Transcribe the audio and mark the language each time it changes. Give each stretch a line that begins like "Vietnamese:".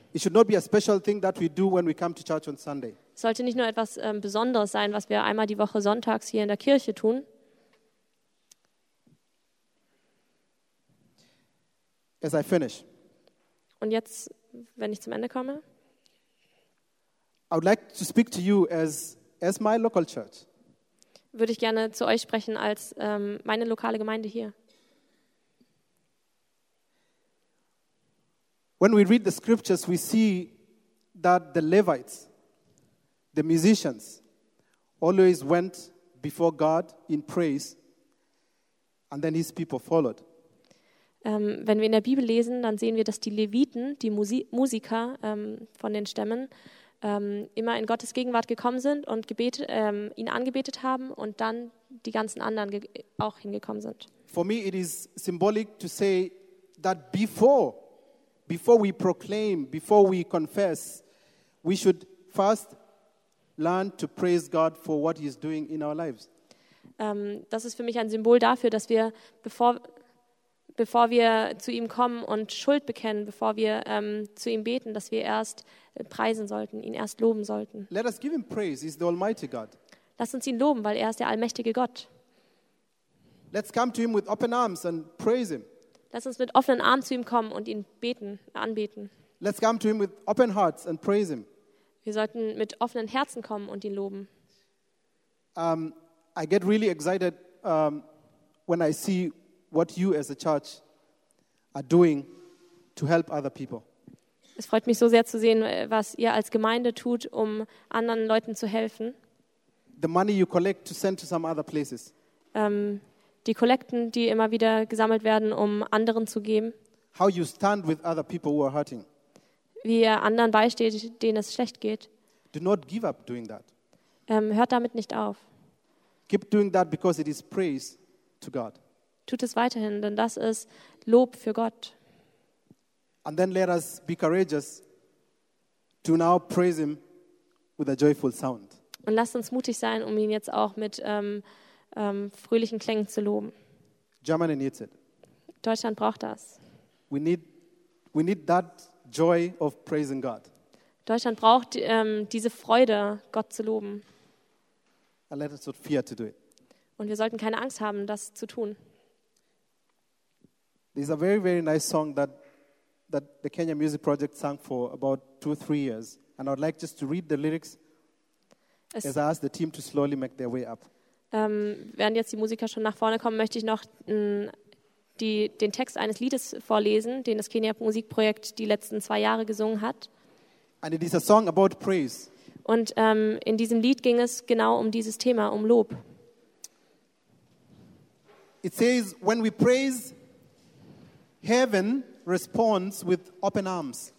English: It should not be a special thing that we do when we come to church on Sunday.
German: Es sollte nicht nur etwas Besonderes sein, was wir einmal die Woche sonntags hier in der Kirche tun.
English: As I finish.
German: Und jetzt, wenn ich zum Ende komme.
English: I would like to speak to you as my local church.
German: Würde ich gerne zu euch sprechen als meine lokale Gemeinde hier.
English: When we read the scriptures, we see that the Levites, the musicians, always went before God in praise, and then his people followed.
German: Wenn wir in der Bibel lesen, dann sehen wir, dass die Leviten, die Musiker von den Stämmen, immer in Gottes Gegenwart gekommen sind und ihn angebetet haben und dann die ganzen anderen auch hingekommen sind.
English: For me, it is symbolic to say that before we proclaim, before we confess, we should first learn to praise God for what he is doing in our lives.
German: Das ist für mich ein Symbol dafür, dass wir, bevor wir zu ihm kommen und Schuld bekennen, bevor wir zu ihm beten, dass wir erst preisen sollten, ihn erst loben sollten.
English: Let us give him praise, he's the Almighty God.
German: Lass uns ihn loben, weil er ist der allmächtige Gott.
English: Let's come to him with open arms and praise him.
German: Lass uns mit offenen Armen zu ihm kommen und ihn beten, anbeten.
English: Let's come to him with open hearts and praise him.
German: Wir sollten mit offenen Herzen kommen und ihn loben.
English: I get really excited when I see what you as a church are doing to help other people.
German: Es freut mich so sehr zu sehen, was ihr als Gemeinde tut, um anderen Leuten zu helfen.
English: The money you collect to send to some other places.
German: Die Kollekten, die immer wieder gesammelt werden, um anderen zu geben.
English: How you stand with other people who are hurting.
German: Wie ihr anderen beisteht, denen es schlecht geht.
English: Do not give up doing that.
German: Hört damit nicht auf.
English: Keep doing that because it is praise to God.
German: Tut es weiterhin, denn das ist Lob für Gott.
English: And then let us be courageous to now praise him with a joyful sound.
German: Und lasst uns mutig sein, um ihn jetzt auch mit fröhlichen Klängen zu loben.
English: Germany needs it.
German: Deutschland braucht das.
English: We need that joy of praising God.
German: Deutschland braucht diese Freude, Gott zu loben.
English: And let us not fear to do it.
German: Und wir sollten keine Angst haben, das zu tun.
English: There's a very, very nice song that the Kenya Music Project sang for about 2 or 3 years. And I would like just to read the lyrics as I ask the team to slowly make their way up.
German: Während jetzt die Musiker schon nach vorne kommen, möchte ich noch den Text eines Liedes vorlesen, den das Kenia Musikprojekt die letzten 2 Jahre gesungen hat.
English: And it is a song about praise.
German: Und in diesem Lied ging es genau um dieses Thema, um Lob.
English: It says, when we praise, heaven responds with open arms.